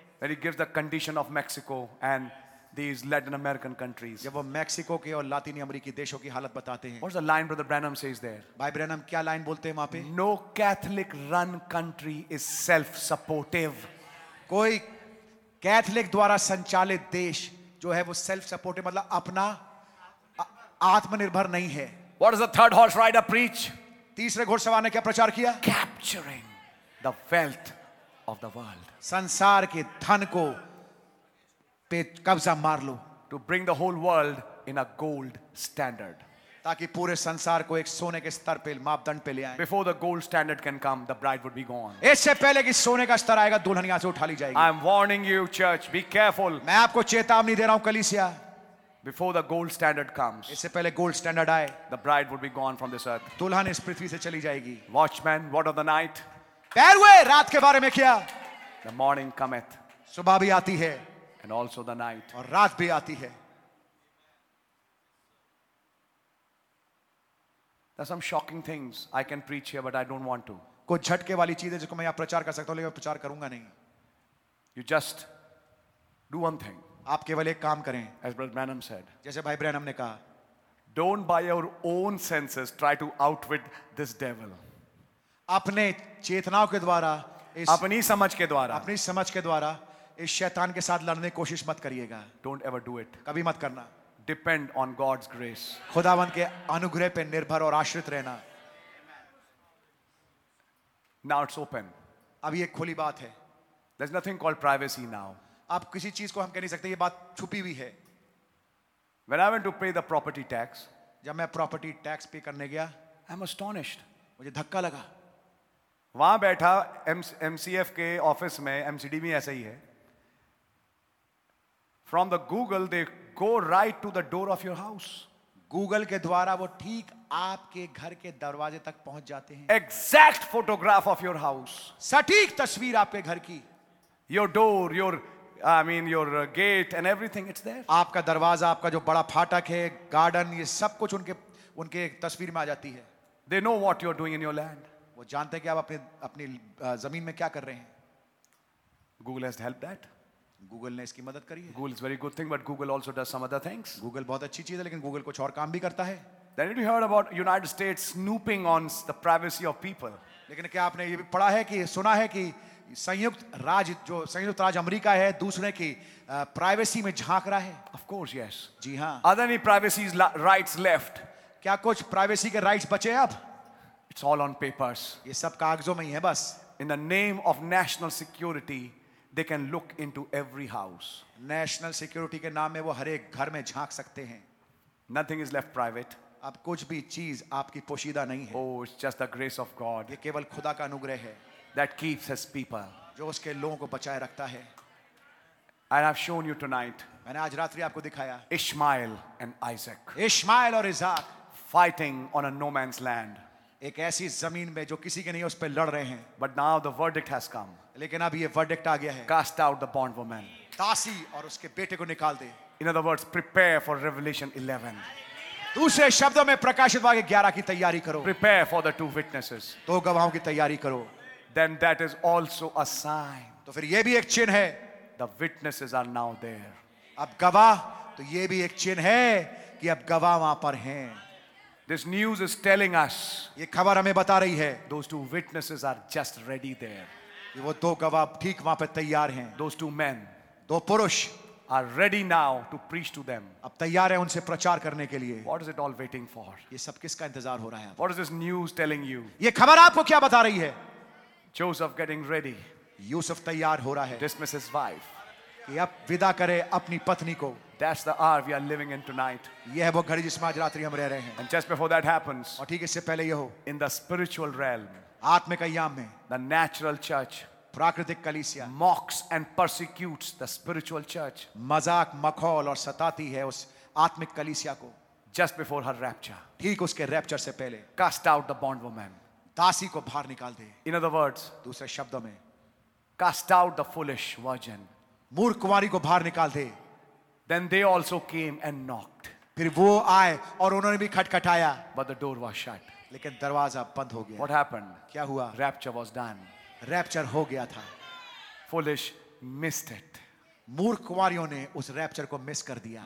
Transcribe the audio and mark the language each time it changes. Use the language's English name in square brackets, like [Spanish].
[English] When he gives the condition of Mexico and these Latin American countries. [Hindi] जब वो Mexico के और लातिनी अमेरिकी देशों की हालत बताते हैं. [English] What's the line Brother Branham says there? [Hindi] भाई ब्रैनम क्या लाइन बोलते हैं वहाँ पे? [English] No Catholic run country is self-supportive. [Hindi] कोई कैथलिक द्वारा संचालित देश जो है वो self-supportive मतलब अपना आत्मनिर्भर नहीं है. [English] What does the third horse rider preach? [Hindi] तीसरे घोड़सवार ने क्या प्रचार किया? [English] Capturing the wealth of the world. [Hindi] संसार के धन को कब्जा मार लो. [English] To bring the whole world in a gold standard. [Hindi] ताकि पूरे संसार को एक सोने के स्तर पे मापदंड पे ले आए. [English] Before the gold standard can come, the bride would be gone. [Hindi] इससे पहले कि सोने का स्तर आएगा दुल्हन यहां से उठा ली जाएगी. [English] I am warning you, church, be careful. [Hindi] मैं आपको चेतावनी दे रहा हूं कलीसिया. [English] Before the gold standard comes. [Hindi] इससे पहले गोल्ड स्टैंडर्ड आए. [English] The bride would be gone from this earth. [Hindi] दुल्हन इस पृथ्वी से चली जाएगी. [English] Watchman, what of the night? [Hindi] पैरवे रात के बारे में क्या? [English] The morning cometh. [Hindi] सुबह भी आती है. [English] And also the night. [Hindi] और रात भी आती है. [English] There are some shocking things I can preach here, but I don't want to. [Hindi] कुछ झटके वाली चीजें जिसको मैं यहाँ प्रचार कर सकता हूँ लेकिन मैं प्रचार करूँगा नहीं. [English] You just do one thing. [Hindi] आप केवल एक काम करें. [English] As Brother Branham said. [Hindi] जैसे भाई ब्रैनम ने कहा. [English] Don't by your own senses try to outwit this devil. [Hindi] अपने चेतनाओं के द्वारा अपनी समझ के द्वारा अपनी समझ के द्वारा इस शैतान के साथ लड़ने की कोशिश मत करिएगा. [English] Don't ever do it. [Hindi] कभी मत करना. [English] Depend on God's grace. [Hindi] खुदावन के अनुग्रह पे निर्भर और आश्रित रहना. [English] Now it's open. [Hindi] अब ये खुली बात है. [English] There's nothing called privacy now. [Hindi] आप किसी चीज को हम कह नहीं सकते ये बात छुपी हुई है. [English] When I went to pay the property tax, [Hindi] जब मैं प्रॉपर्टी टैक्स पे करने गया, [English] I'm astonished. [Hindi] मुझे धक्का लगा. वहां बैठा MCF के ऑफिस में, MCD में ऐसा ही है. [English] From the Google, they go right to the door of your house. [Hindi] Google के द्वारा वो ठीक आपके घर के दरवाजे तक पहुंच जाते हैं. [English] Exact photograph of your house. [Hindi] सटीक तस्वीर आपके घर की. [English] Your door, your gate and everything, it's there. [Hindi] आपका दरवाजा, आपका जो बड़ा फाटक है, गार्डन, ये सब कुछ उनके उनके तस्वीर में आ जाती है. [English] They know what you're doing in your land. [Hindi] वो जानते हैं कि आप अपने अपनी जमीन में क्या कर रहे हैं. [English] Google has helped that. [Hindi] Google ने इसकी मदद करी है. [English] Google is very good thing, but Google also does some other things. [Hindi] Google बहुत अच्छी चीज़ है, लेकिन Google कुछ और काम भी करता है. [English] Then you heard about United States snooping on the privacy of people. [Hindi] लेकिन क्या आपने ये भी पढ़ा है कि सुना है कि संयुक्त राज्य, जो संयुक्त राज्य अमेरिका है, दूसरे की प्राइवेसी में झांक रहा है? [English] Of course, yes. [Hindi] जी हाँ. [English] Are there any privacy rights left? [Hindi] क्या कुछ प्राइवेसी के राइट्स बचे अब? [English] It's all on papers. [Hindi] ये सब कागजों में ही है बस. [English] In the name of national security, they can look into every house. [Hindi] National security के नाम में वो हर एक घर में झांक सकते हैं. [English] Nothing is left private. [Hindi] अब कुछ भी चीज आपकी पोशीदा नहीं है. [English] Oh, it's just the grace of God. [Hindi] ये केवल खुदा का अनुग्रह है. [English] That keeps his people. [Hindi] जो उसके लोगों को बचाए रखता है. [English] And I've shown you tonight. [Hindi] मैंने आज रात्रि आपको दिखाया. [English] Ishmael and Isaac. [Hindi] Ishmael और इज़ाक. [English] Fighting on a no man's land. [Hindi] एक ऐसी ज़मीन में जो किसी के नहीं, उस पे लड़ रहे हैं. [English] But now the verdict has come. [Hindi] लेकिन अब ये verdict आ गया है. [English] Cast out the bond woman. [Hindi] दासी और उसके बेटे को निकाल दे. [English] In other words, prepare for Revelation 11. [Hindi] दूसरे शब्दों में प्रकाशित वाक्य 11 की तैयारी करो. [English] Prepare for the two witnesses. [Hindi] दो गवाहों की तैयारी करो. [English] Then that is also a sign. [Hindi] तो फिर ये भी एक चिन्ह है. [English] The witnesses are now there. [Hindi] अब गवाह, तो ये भी एक चिन्ह है कि अब गवाह वहां पर हैं. [English] This news is telling us. [Hindi] ये खबर हमें बता रही है. [English] Those two witnesses are just ready there. [Hindi] वो दो गवाह ठीक वहां पर तैयार हैं. [English] Those two men. [Hindi] दो पुरुष. [English] Are ready now to preach to them. [Hindi] अब तैयार है उनसे प्रचार करने के लिए. [English] What is it all waiting for? [Hindi] ये सब किसका इंतजार हो रहा है? [English] What is this news telling you? [Hindi] ये खबर आपको क्या बता रही है? [English] Joseph getting ready. [Hindi] Yusuf तैयार हो रहा है. [English] Dismiss his wife. [Hindi] कि अब विदा करे अपनी पत्नी को. [English] That's the hour we are living in tonight. [Hindi] यह है वो घड़ी जिसमें आज रात्रि हम रह रहे हैं. [English] And just before that happens. [Hindi] और ठीक इससे पहले यह हो. [English] In the spiritual realm. [Hindi] आत्मिक आयाम में. [English] The natural church. [Hindi] प्राकृतिक कलीसिया. [English] Mocks and persecutes the spiritual church. [Hindi] मजाक मखौल और सताती है उस आत्मिक कलीसिया को. [English] Just before her rapture. [Hindi] ठीक उसके रैप्चर से पहले. [English] Cast out the bond woman. [Hindi] दासी को बाहर निकाल दे. [English] In other words, [Hindi] दूसरे शब्दों में, [English] cast out the foolish virgin. [Hindi] मूर्ख कुमारी को बाहर निकाल दे. [English] Then they also came and knocked. [Hindi] फिर वो आए और उन्होंने भी खटखटाया. [English] But the door was shut. [Hindi] लेकिन दरवाजा बंद हो गया. [English] What happened? [Hindi] क्या हुआ? [English] Rapture was done. [Hindi] रैप्चर हो गया था. [English] Foolish missed it. [Hindi] मूर्ख कुमारियों ने उस रैप्चर को मिस कर दिया.